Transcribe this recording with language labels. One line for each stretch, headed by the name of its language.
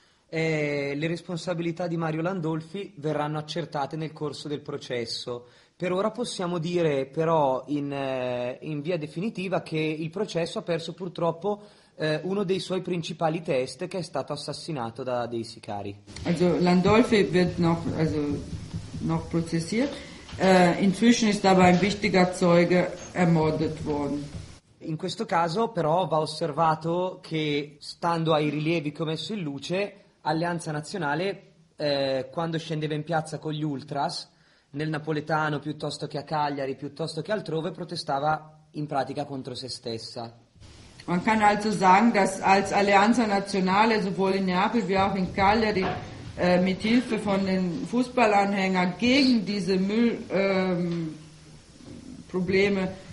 Italian: Le responsabilità di Mario Landolfi verranno accertate nel corso del processo. Per ora possiamo dire però in via definitiva che il processo ha perso purtroppo uno dei suoi principali test, che è stato assassinato da dei sicari.
German: Also Landolfi wird noch, also noch prozessiert. Inzwischen ist aber ein wichtiger Zeuge ermordet worden.
Italian: In questo caso però va osservato che, stando ai rilievi che ho messo in luce, Alleanza Nazionale, quando scendeva in piazza con gli ultras, nel napoletano piuttosto che a Cagliari, piuttosto che altrove, protestava in pratica contro se stessa.
German: Man kann also sagen, dass als Alleanza Nazionale sowohl in Neapel wie auch in Cagliari mit Hilfe von den Fußballanhängern gegen diese Müllprobleme